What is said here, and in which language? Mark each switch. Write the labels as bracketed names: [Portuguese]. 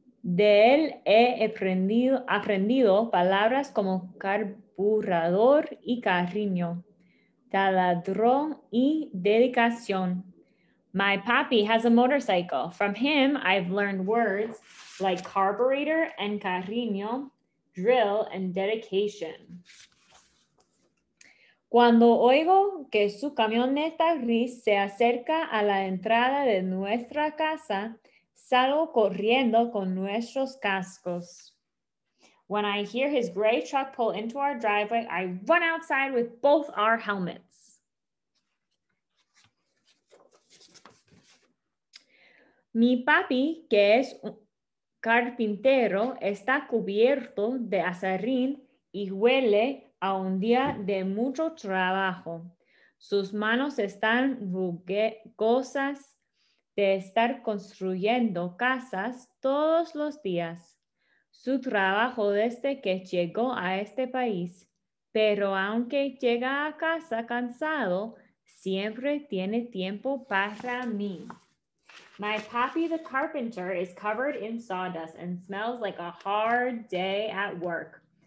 [Spanish] De él he aprendido palabras como carburador y cariño, taladro y dedicación. [English] My papi has a motorcycle. From him, I've learned words like carburetor and cariño, drill and dedication. [Spanish] Cuando oigo que su camioneta gris se acerca a la entrada de nuestra casa, salgo corriendo con nuestros cascos. [English] When I hear his gray truck pull into our driveway, I run outside with both our helmets. [Spanish] Mi papi, que es un carpintero, está cubierto de aserrín y huele a un día de mucho trabajo. Sus manos están rugosas de estar construyendo casas todos los días. Su trabajo desde que llegó a este país. Pero aunque llega a casa cansado, siempre tiene tiempo para mí. [English] My papi the carpenter is covered in sawdust and smells like a hard day at work.